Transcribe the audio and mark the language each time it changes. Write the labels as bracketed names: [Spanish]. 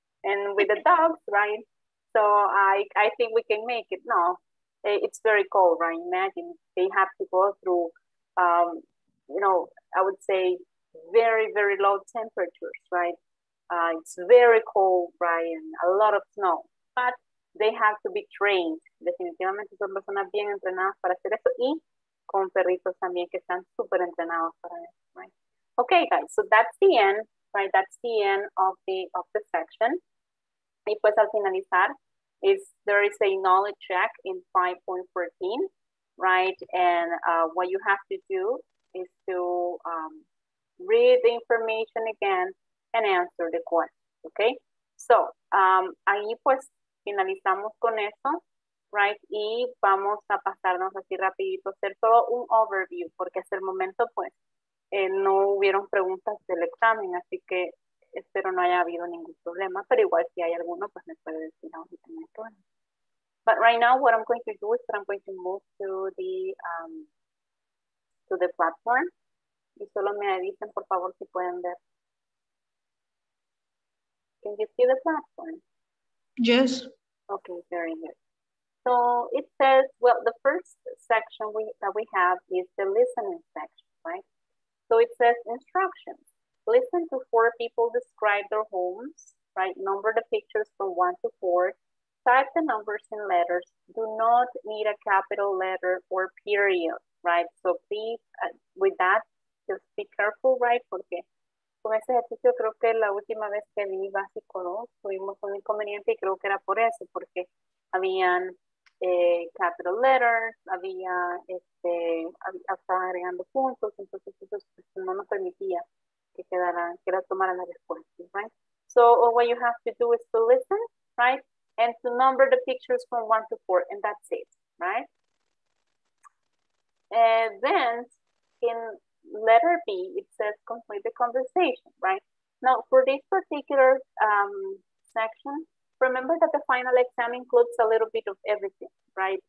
[English] And with the dogs, right? So I think we can make it. No, it's very cold, right? Imagine they have to go through, you know, I would say very, very low temperatures, right? It's very cold, right? And a lot of snow, but they have to be trained. [Spanish] Definitivamente son personas bien entrenadas para hacer eso y con perritos también que están super entrenados para eso, [English] right? Okay, guys, so that's the end, right? That's the end of the section. [Spanish] Y pues al finalizar, [English] there is a knowledge check in 5.14, right? And what you have to do is to read the information again and answer the question, okay? So, [Spanish] ahí pues, finalizamos con eso, [English] right? [Spanish] Y vamos a pasarnos así rapidito, hacer todo un overview, porque hasta el momento, pues, no hubieron preguntas del examen, así que espero no haya habido ningún problema, pero igual si hay alguno, pues me puede decir ahorita en el turno. [English] But right now, what I'm going to do is that I'm going to move to the platform, [Spanish] y solo me dicen, por favor, si pueden ver. [English] Can you see the platform? Yes. Okay, very good. So it says, well, the first section that we have is the listening section, right? So it says instructions. Listen to 4 people describe their homes, right? Number the pictures from 1 to 4. Type the numbers in letters. Do not need a capital letter or period, right? So please, with that, just be careful, right? [Spanish] Porque con este ejercicio creo que la última vez que vi básico 2 tuvimos un inconveniente y creo que era por eso, porque habían capital letters, había este, estaba agregando puntos, entonces eso pues, no nos permitía que quedara, que la tomara la respuesta, [English] right? So what you have to do is to listen, right? And to number the pictures from 1 to 4, and that's it, right? And then in letter B, it says complete the conversation, right? Now for this particular section, remember that the final exam includes a little bit of everything, right?